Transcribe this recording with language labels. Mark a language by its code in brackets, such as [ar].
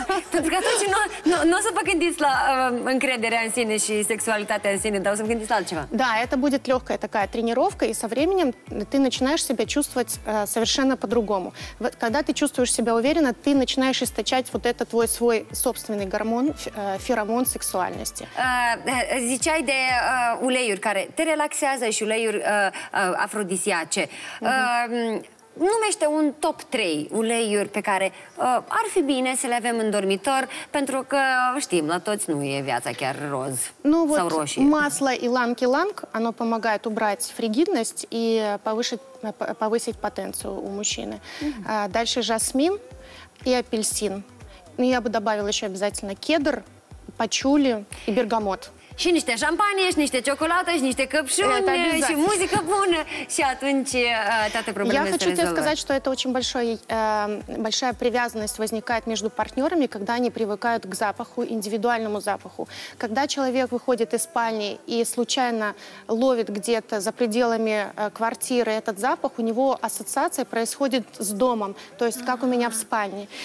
[ru] Тут готовьте, но чтобы гиндеть на [ro] încredere [ru] в себе и сексуальность в себе, да, чтобы гиндеть на что-то. Да, это будет легкая такая тренировка, и со временем ты начинаешь себя чувствовать совершенно по-другому. Вот, когда ты чувствуешь себя уверенно, ты начинаешь источать вот этот твой свой собственный гормон, феромон сексуальности. [ro] Zicei de uleiuri care te relaxează și uleiuri afrodisiace. Numește un top 3 uleiuri pe care ar fi bine să le avem în dormitor, pentru că știm, la toți nu e viața chiar roz sau roșie. [ru] Масло иланг-иланг, оно помогает убрать фригидность и повысить потенцию у мужчины. Дальше жасмин и апельсин. Я бы добавила еще обязательно кедр, пачули и бергамот. [ro] Și niște șampanie, și niște ciocolată, și niște căpșuni, și muzică bună. Și atunci toate problemele se rezolvă. [ru] Я хочу сказать, что это очень большая привязанность возникает между партнерами, когда они привыкают к запаху, индивидуальному запаху. Когда человек выходит из спальни и случайно ловит где-то за пределами квартиры этот запах, у него ассоциация происходит с домом, то есть как у меня в спальне.